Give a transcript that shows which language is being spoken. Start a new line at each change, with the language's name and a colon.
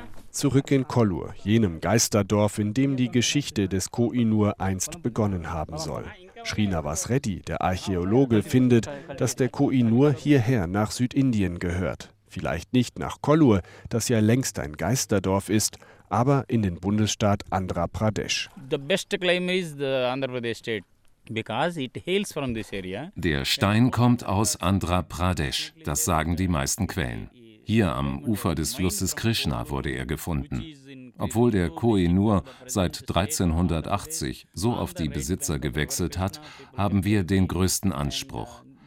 German: Zurück in Kollur, jenem Geisterdorf, in dem die Geschichte des Koh-i-Noor einst begonnen haben soll. Srinivas Reddy, der Archäologe, findet, dass der Koh-i-Noor hierher nach Südindien gehört. Vielleicht nicht nach Kollur, das ja längst ein Geisterdorf ist, aber in den Bundesstaat Andhra Pradesh.
English: The best claim is the Andhra Pradesh state.
German: Der Stein kommt aus Andhra Pradesh, das sagen die meisten Quellen. Hier am Ufer des Flusses Krishna wurde er gefunden. Obwohl der Koh-i-Noor seit 1380 so oft die Besitzer gewechselt hat, haben wir den größten Anspruch.